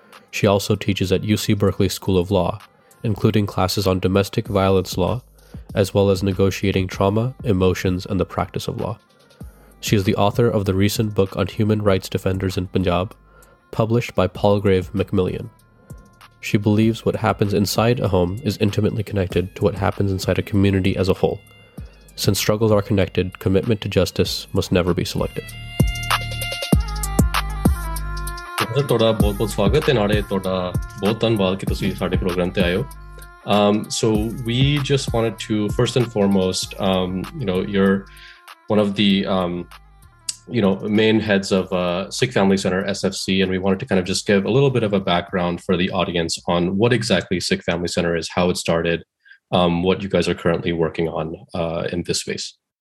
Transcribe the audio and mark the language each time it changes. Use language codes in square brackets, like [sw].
[en] She also teaches at UC Berkeley School of Law, including classes on domestic violence law, as well as negotiating trauma, emotions, and the practice of law. She is the author of the recent book on human rights defenders in Punjab, published by Palgrave Macmillan. She believes what happens inside a home is intimately connected to what happens inside a community as a whole. Since struggles are connected, commitment to justice must never be selective. [pa] ਤੁਹਾਡਾ ਬਹੁਤ ਬਹੁਤ ਸਵਾਗਤ ਤੇ ਨਾਲੇ ਤੁਹਾਡਾ ਬਹੁਤ ਧੰਨਵਾਦ ਕਿ ਤੁਸੀਂ ਸਾਡੇ ਪ੍ਰੋਗਰਾਮ ਤੇ ਆਏ ਹੋ. [en] So we just wanted to first and foremost you're one of the main heads of Sikh Family Center, SFC, and we wanted to kind of just give a little bit of a background for the audience on what exactly Sikh Family Center is, how it started, what you guys are currently working on in this space.